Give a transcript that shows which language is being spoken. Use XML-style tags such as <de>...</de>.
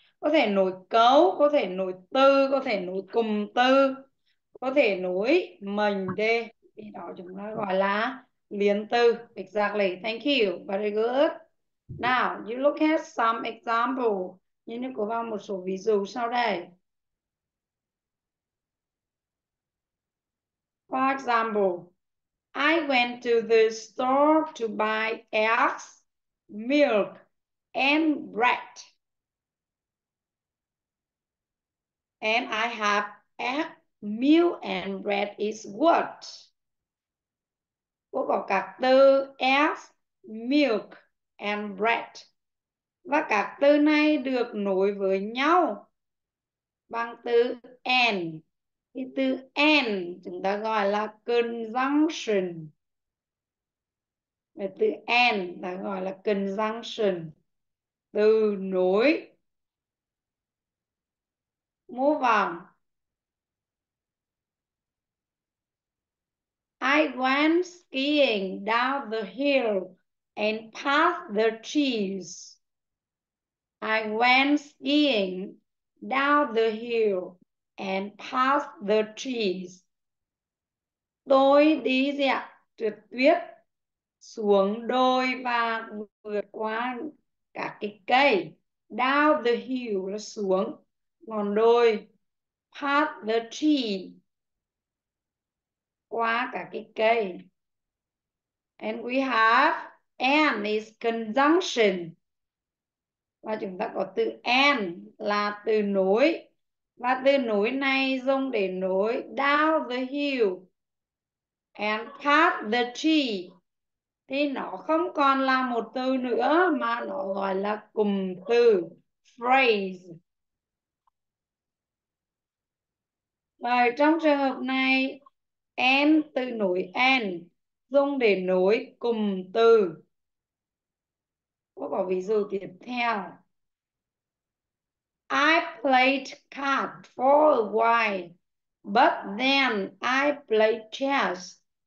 <vi>Có thể nối cấu, có thể nối từ, có thể nối cụm từ, có thể nối mệnh đề, thì đó chúng ta gọi là liên từ.</vi> <en>Exactly, thank you, very good. Now, you look at some example.</en> <vi>Nhưng nếu có vào một số ví dụ sau đây.</vi> <en>For example, I went to the store to buy eggs, milk, and bread. And I have a meal and bread is what?</en> <vi>Cô có các từ</vi> <en>as, milk and bread.</en> <vi>Và các từ này được nối với nhau bằng từ and. Thì từ and chúng ta gọi là conjunction. Và từ and ta gọi là conjunction. Từ nối.</vi> <en>Move on. I went skiing down the hill and past the trees. I went skiing down the hill and past the trees.</en> <vi>Tôi đi gì ạ? Trượt tuyết xuống đồi và vượt qua các cái cây.</vi> <en>Down the hill</en> <vi>là xuống ngọn đồi,</vi> <en>past the tree,</en> <vi>qua cả cái cây.</vi> <en>And we have and is conjunction.</en> <vi>Và chúng ta có từ and là từ nối. Và từ nối này dùng để nối</vi> <en>down the hill and past the tree.</en> <vi>Thì nó không còn là một từ nữa mà nó gọi là cụm từ, phrase. Và trong trường hợp này, and từ nối and dùng để nối cụm từ. Có ví dụ tiếp theo.</vi> <en>I played cards for a while, but then I played chess.</en>